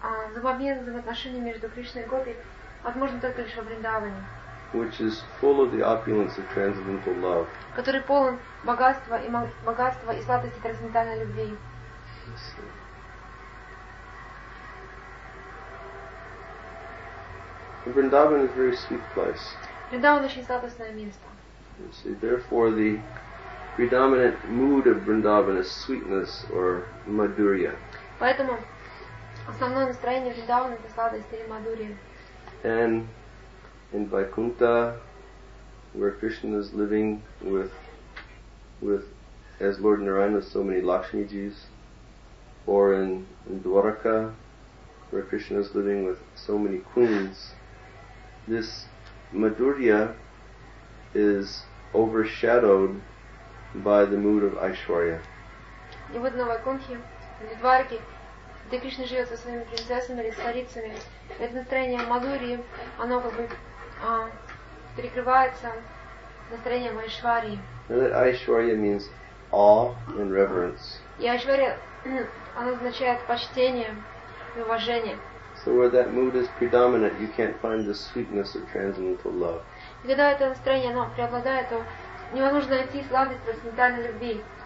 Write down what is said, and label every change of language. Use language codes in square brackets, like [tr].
[ru] Взаимообмен, взаимоотношения между Кришной и Гопи возможно только лишь во Вриндаване. [en] Which is full of the opulence of transcendental love. [ru] Который полон богатства и богатства и сладости трансцендентальной любви. [en] Vrindavan is a very sweet place. [ru] Vrindavan очень сладостное место. [en] You see, therefore the predominant mood of Vrindavan is sweetness or madhurya. [ru] Поэтому основное настроение Вриндавана — это сладость или мадурия. [en] And in Vaikuntha, where Krishna is living with as Lord Narayana, so many Lakshmijis, or in Dwaraka, where Krishna is living with so many queens, this madhurya is overshadowed by the mood of Aishwarya. [ru] И вот на Вайкунтхе, в Дварке, где Кришна живет со своими принцессами или царицами, это настроение мадхурии, оно как бы перекрывается настроением Айшварии. [en] And that Aishwarya means awe and reverence. [ru] И Айшвария, оно означает почтение и уважение. [en] So where that mood is predominant, you can't find the sweetness of transcendental love. [ru] И когда это настроение, оно преобладает, то невозможно найти сладость трансцендентальной любви.